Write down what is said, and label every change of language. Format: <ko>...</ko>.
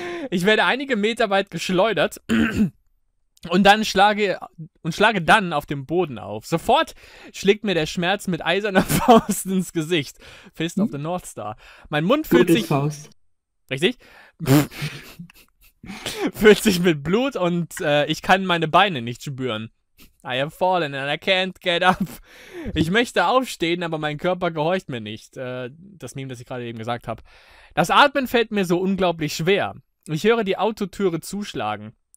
<de>Ich werde einige Meter weit geschleudert und dann schlage dann auf dem Boden auf. Sofort schlägt mir der Schmerz mit eiserner Faust ins Gesicht. Fist of the North Star. Mein Mund fühlt sich... Faust. Richtig? Füllt sich mit Blut und ich kann meine Beine nicht spüren.</de> <en>I have fallen and I can't get up.</en> <de>Ich möchte aufstehen, aber mein Körper gehorcht mir nicht. Das Meme, das ich gerade eben gesagt habe. Das Atmen fällt mir so unglaublich schwer. Ich höre die Autotüre zuschlagen.</de>